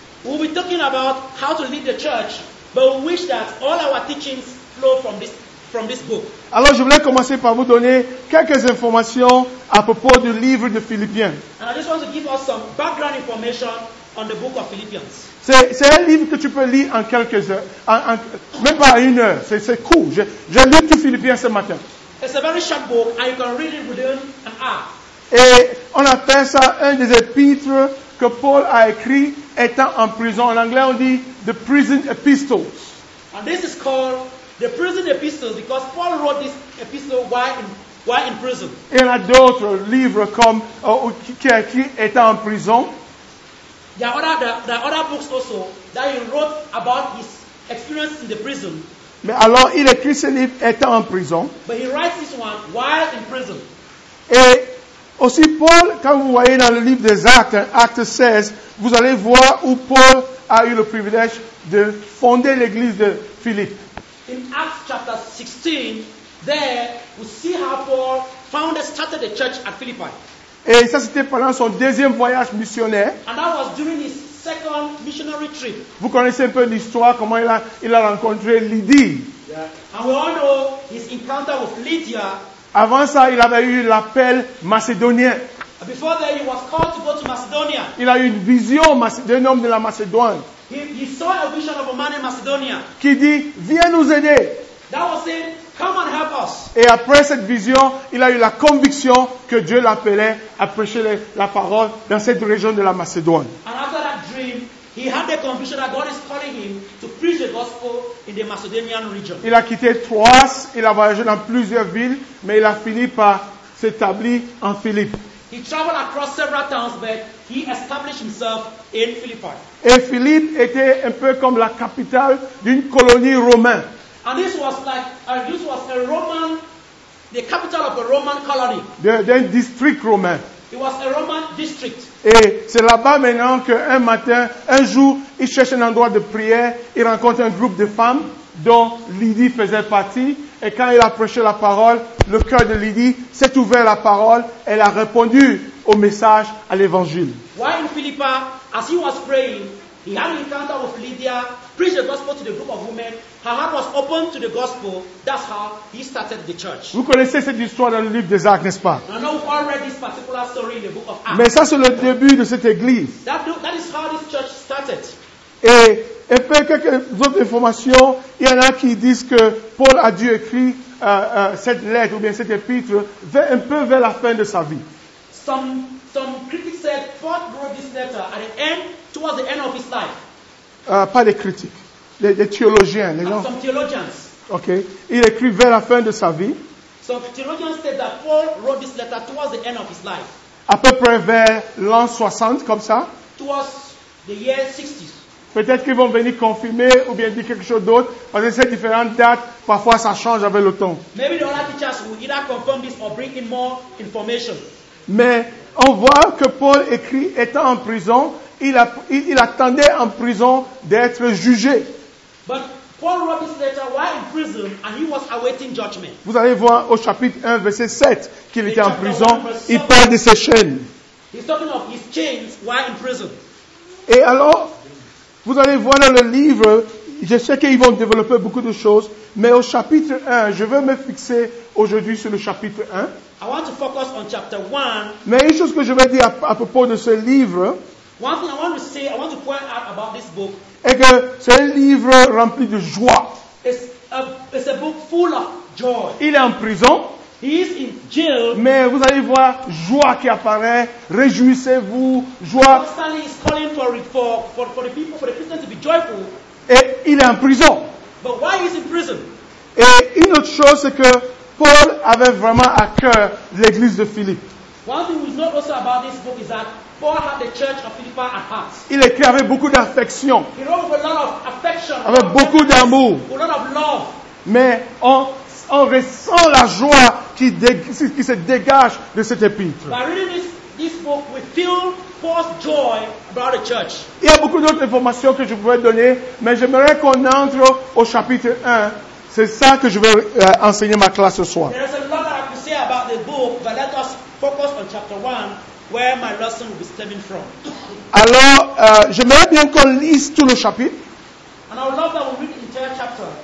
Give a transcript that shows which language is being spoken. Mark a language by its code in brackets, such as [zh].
[en] We'll be talking about how to lead the church, but we wish that all our teachings flow from this book. [fr] Alors, je voulais commencer par vous donner quelques informations à propos du livre de Philippiens. [en] And I just want to give us some background information on the book of Philippians. [fr] C'est un livre que tu peux lire en quelques heures, même pas une heure. C'est court. J'ai lu tout Philippiens ce matin. [en] It's a very short book and you can read it within an hour. [fr] Et on appelle ça un des épîtres que Paul a écrit étant en prison. En anglais, on dit [en] the prison epistles. And this is called the prison epistles because Paul wrote this epistle while in prison. [fr] Et il y a d'autres livres comme qui a écrit étant en prison. [en] There are other books also that he wrote about his experience in the prison. [fr] Mais alors, il écrit ce livre étant en prison. [en] But he writes this one while in prison. [fr] Et Aussi, Paul, quand vous voyez dans le livre des Actes, acte 16, vous allez voir où Paul a eu le privilège de fonder l'église de Philippe. [en] In Acts chapter 16, there we see how Paul founded, started the church at Philippi. [fr] Et ça, c'était pendant son deuxième voyage missionnaire. [en] And that was during his second missionary trip. [fr] Vous connaissez un peu l'histoire, comment il a rencontré Lydie. [en] Yeah. And we all know his encounter with Lydia. [fr] Avant ça, il avait eu l'appel macédonien. [en] Before that, he was called to go to Macedonia. [fr] Il a eu une vision d'un homme de la Macédoine. [en] He saw a vision of a man in Macedonia. [fr] Qui dit, viens nous aider. [en] That was it. Come and help us. [fr] Et après cette vision, il a eu la conviction que Dieu l'appelait à prêcher la parole dans cette région de la Macédoine. [en] And after that dream, he had the conviction that God is calling him to preach the gospel in the Macedonian region. [fr] Il a quitté Troas, il a voyagé dans plusieurs villes, mais il a fini par s'établir en Philippe. [en] He traveled across several towns, but he established himself in Philippi. [fr] Et Philippe était un peu comme la capitale d'une colonie romaine. [en] And this was a Roman, the capital of a Roman colony. [fr] D'un district romain. [en] It was a Roman district. [fr] Et c'est là-bas maintenant qu'un matin, un jour, il cherche un endroit de prière, il rencontre un groupe de femmes dont Lydie faisait partie. Et quand il a prêché la parole, le cœur de Lydie s'est ouvert à la parole. Elle a répondu au message, à l'évangile. [en] Why in Philippa, as he was praying, he had an encounter with Lydia, preached the gospel to the group of women. Her heart was open to the gospel. That's how he started the church. [fr] Vous connaissez cette histoire dans le livre des Actes, n'est-ce pas? [en] I know we've all read this particular story in the book of Acts. [fr] Mais ça, c'est le début de cette église. [en] That is how this church started. [fr] Et un peu quelques autres informations, il y en a qui disent que Paul a dû écrire cette lettre ou bien cette épître un peu vers la fin de sa vie. [en] Some critics said Paul wrote this letter at the end, towards the end of his life. [fr] Pas les critiques, les théologiens, les gens. [en] Some theologians. [fr] Ok, il écrit vers la fin de sa vie. [en] Some theologians said that Paul wrote this letter towards the end of his life. [fr] À peu près vers l'an 60, comme ça. [en] Towards the year 60. [fr] Peut-être qu'ils vont venir confirmer ou bien dire quelque chose d'autre, parce que ces différentes dates, parfois ça change avec le temps. [en] Maybe the other teachers will either confirm this or bring in more information. [fr] Mais on voit que Paul écrit étant en prison, il attendait en prison d'être jugé. [en] But Paul wrote this letter while in prison and he was awaiting judgment. [fr] Vous allez voir au chapitre 1, verset 7, qu'il était en prison, il parle de ses chaînes. [en] He's talking of his chains while in prison. [fr] Et alors, vous allez voir dans le livre, je sais qu'ils vont développer beaucoup de choses, mais au chapitre 1, je veux me fixer aujourd'hui sur le chapitre 1. [en] I want to focus on chapter 1. [fr] Mais une chose que je veux dire à propos de ce livre, [en] one thing I want to point out about this book, [fr] est que c'est un livre rempli de joie. [en] It's a book full of joy. [fr] Il est en prison. [en] He is in jail. [fr] Mais vous allez voir joie qui apparaît, réjouissez-vous, joie. [en] Constantly is calling for the people, for the Christians to be joyful. [fr] Et il est en prison. [en] But why is he in prison? [fr] Et une autre chose, c'est que Paul avait vraiment à cœur l'église de Philippe. [en] One thing we know also about this book is that Paul had the church of Philippi at heart. [fr] Il écrit avec beaucoup d'affection. [en] He wrote with a lot of affection. [fr] Avec beaucoup d'amour. [en] With a lot of love. [fr] Mais on ressent la joie qui se dégage de cet épître. [en] By reading this book, we feel Paul's joy about the church. [fr] Il y a beaucoup d'autres informations que je pourrais donner, mais j'aimerais qu'on entre au chapitre 1. C'est ça que je vais enseigner ma classe ce soir. [en] There is a lot that I can say about the book, but let us focus on chapter 1, where my lesson will be stemming from. [fr] Alors, j'aimerais bien qu'on lise tout le chapitre. [en] And I would love that we read the entire chapter.